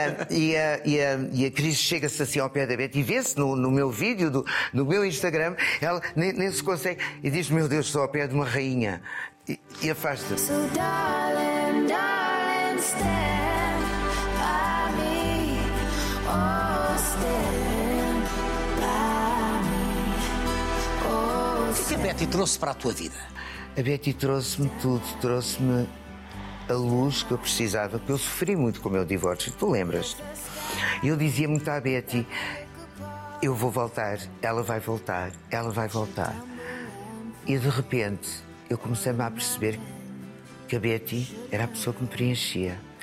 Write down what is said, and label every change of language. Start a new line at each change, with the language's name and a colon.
Portuguese: E a Cris chega-se assim ao pé da Betty e vê-se no meu vídeo, no meu Instagram, ela nem se consegue e diz: meu Deus, estou ao pé de uma rainha. E afasta-se.
English: So darling, darling, stand by me. Oh, stand by me.
Portuguese: Oh, o que é que a Betty trouxe para a tua vida? A Betty trouxe-me tudo, trouxe-me a luz que eu precisava, porque eu sofri muito com o meu divórcio, tu lembras? E eu dizia muito à Betty: eu vou voltar, ela vai voltar, ela vai voltar. E de repente eu comecei-me a perceber que a Betty era a pessoa que me preenchia.